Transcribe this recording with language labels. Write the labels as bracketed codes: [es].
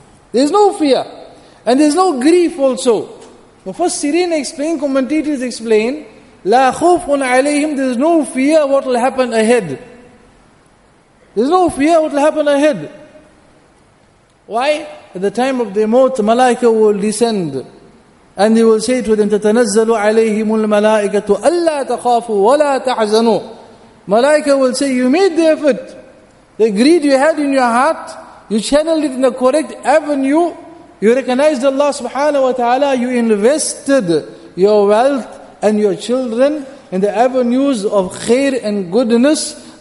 [en] There is no fear. And there is no grief also. Mufassirin explain, commentators explain, [ar] La khufun alayhim, [en] there is no fear what will happen ahead. There is no fear what will happen ahead. Why? At the time of the mawt, malaika will descend. And he will say to them, [ar] تَتَنَزَّلُ عَلَيْهِمُ الْمَلَائِكَةُ أَلَّا تَخَافُوا وَلَا تَحْزَنُوا. [en] Malaika will say, you made the effort. The greed you had in your heart, you channeled it in the correct avenue. You recognized Allah subhanahu wa ta'ala. You invested your wealth and your children in the avenues of khair and goodness.